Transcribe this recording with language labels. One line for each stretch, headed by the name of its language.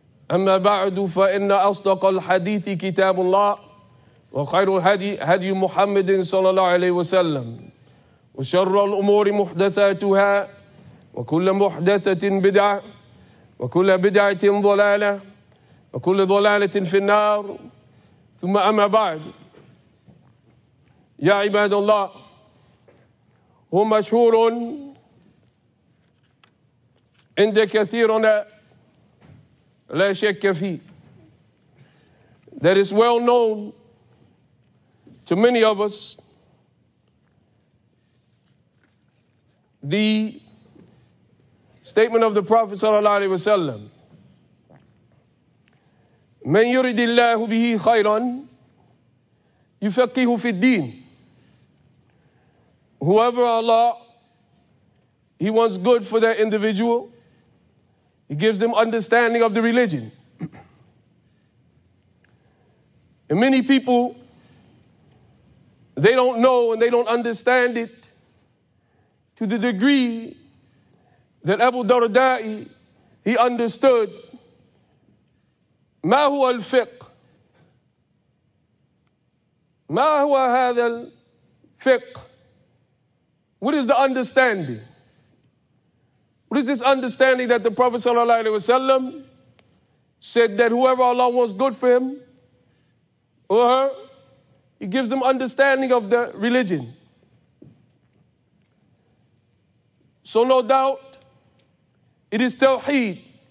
Arabic: أما بعد، فإن أصدق الحديث كتاب الله وخير الهدي هدي محمد صلى الله عليه وسلم، وشر الأمور محدثاتها، وكل محدثة بدعة، وكل بدعة ضلالة، وكل ضلالة في النار. ثم أما بعد، يا عباد الله، هو مشهور عند كثيرنا لا شك فيه.
English: That is well known to many of us. The statement of the Prophet
Arabic: صلى الله عليه وسلم: من يرد الله به خيرا يفقهه في الدين.
English: Whoever Allah, He wants good for that individual, He gives them understanding of the religion. And many people, they don't know and they don't understand it to the degree that Abu Darda, he understood.
Arabic: ما هو الفقه؟ ما هو هذا الفقه؟
English: What is the understanding? What is this understanding that the Prophet sallallahu alaihi wasallam said that whoever Allah wants good for him or her, He gives them understanding of the religion. So no doubt, it is tawheed.